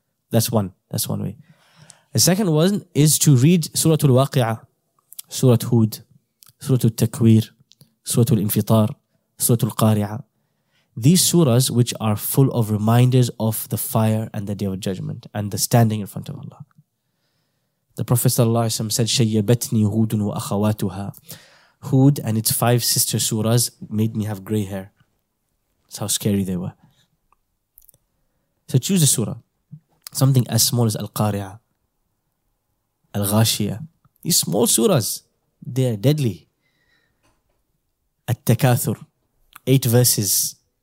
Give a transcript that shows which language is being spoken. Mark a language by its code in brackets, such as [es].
[en] That's one way. The second one is to read Surah Al-Waqi'ah, Surah Hud, Surah Al-Takwir, Surah Al-Infitar, Surah Al-Qari'ah. These surahs which are full of reminders of the fire and the day of judgment and the standing in front of Allah. The Prophet ﷺ said, [ar] شَيَّبَتْنِي هُودٌ وَأَخَوَاتُهَا. [en] Hud and its five sister surahs made me have grey hair. That's how scary they were. So choose a surah. Something as small as Al-Qari'ah, Al-Ghashiyah. These small surahs, they are deadly. At-Takathur, 8 verses.